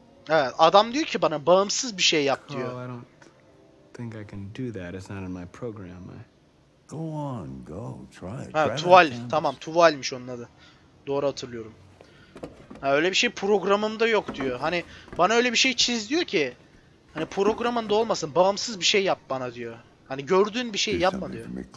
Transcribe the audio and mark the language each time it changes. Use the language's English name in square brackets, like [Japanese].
[Turkish] Evet, adam diyor ki bana bağımsız bir şey yap diyor. [English] Oh, I don't think I can do that. It's not in my program. Go on, go. Try it. [Turkish] Ha, tuval. Tamam, tuvalmiş onun adı. Doğru hatırlıyorum. Ha, öyle bir şey programımda yok diyor. Hani bana öyle bir şey çiz diyor ki, hani programında olmasın, bağımsız bir şey yap bana diyor. Hani gördüğün bir şey yapma diyor.